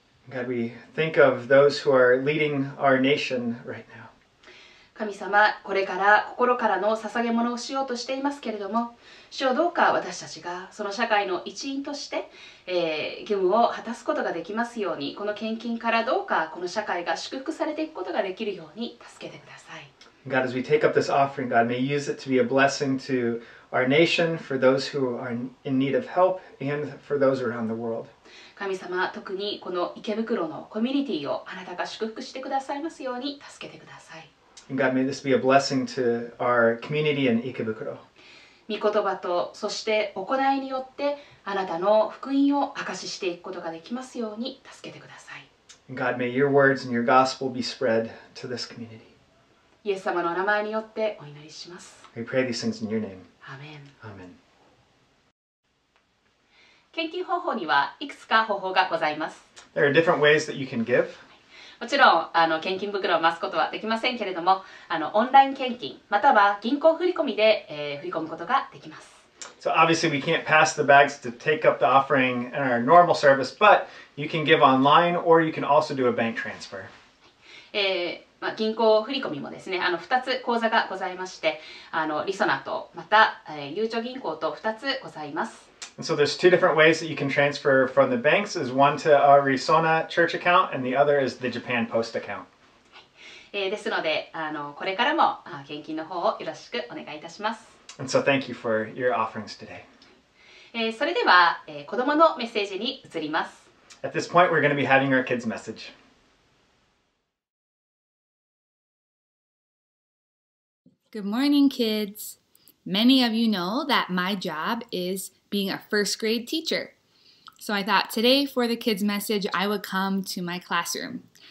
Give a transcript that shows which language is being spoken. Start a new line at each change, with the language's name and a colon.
English: God, we think of those who are leading our nation right now.
Japanese: 神様、これから心からの捧げ物をしようとしていますけれども、主よ、どうか私たちがその社会の一員として、義務を果たすことができますように、この献金からどうかこの社会が祝福されていくことができるように助けてください。
English: God, as we take up this offering, God, may use it to be a blessing to our nation, for those who are in need of help, and for those around the world.
Japanese: 神様、特にこの池袋のコミュニティをあなたが祝福してくださいますように助けてください。
English: God, may this be a blessing to our community in 池袋。
Japanese: 御言葉とそして行いによってあなたの福音を証ししていくことができますように助けてください。
English: God, may your words and your gospel be spread to this community.
Japanese: イエス様の名前によってお祈りします。
English: We pray these things in your name. Amen. Amen.
Japanese: 献金方法にはいくつか方法がございます。
English: There are different ways that you can give.
Japanese: もちろん献金袋を回すことはできませんけれども、オンライン献金または銀行振込で、振り込むことができます。
English: So obviously we can't pass the bags to take up the offering in our normal service, but you can give online or you can also do a bank transfer.
Japanese: まあ、銀行振込もですね、あの2つ口座がございまして、あのリソナとまた、ゆうちょ銀行と2つございます。
English: And so there's two different ways that you can transfer from the banks. Is one to a Resona church account and the other is the Japan Post account.
Japanese: ですので、あのこれからも献金の方をよろしくお願いいたします。
English: And so thank you for your offerings today.
Japanese: それでは、子供のメッセージに移ります。
English: At this point, we're going to be having our kids' message. Good morning, kids. Many of you know that my job is being a first grade teacher. So I thought today for the kids' message, I would come to my classroom.